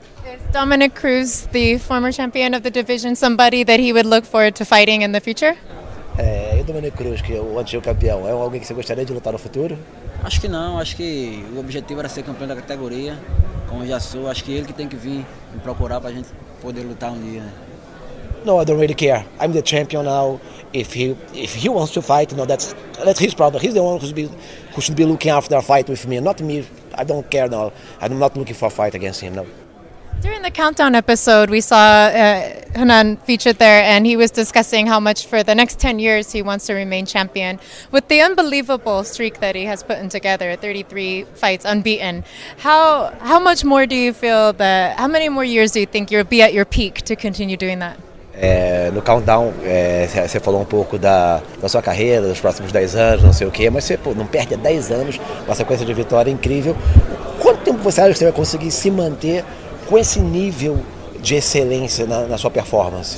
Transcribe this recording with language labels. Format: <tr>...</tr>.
<en>Is Dominic Cruz, the former champion of the division, somebody that he would look forward to fighting in the future?</en> <pt>O Dominic Cruz, que é o antigo campeão, é alguém que você gostaria de lutar no futuro? Acho que não, acho que o objetivo era ser campeão da categoria, como já sou, acho que ele que tem que vir me procurar para a gente poder lutar um dia.</pt> <en>No, I don't really care. I'm the champion now. If he wants to fight, no, that's his problem. He's the one who should be looking after a fight with me, not me. I don't care now. I'm not looking for a fight against him, no. During the countdown episode, we saw Renan featured there, and he was discussing how much for the next 10 years he wants to remain champion. With the unbelievable streak that he has put in together, 33 fights unbeaten, how much more do you feel that, how many more years do you think you'll be at your peak to continue doing that?</en> <pt>No countdown, você falou um pouco da sua carreira, dos próximos 10 anos, não sei o quê, mas você não perde 10 anos com a sequência de vitória incrível. Quanto tempo você acha que você vai conseguir se manter com esse nível de excelência na sua performance?</pt>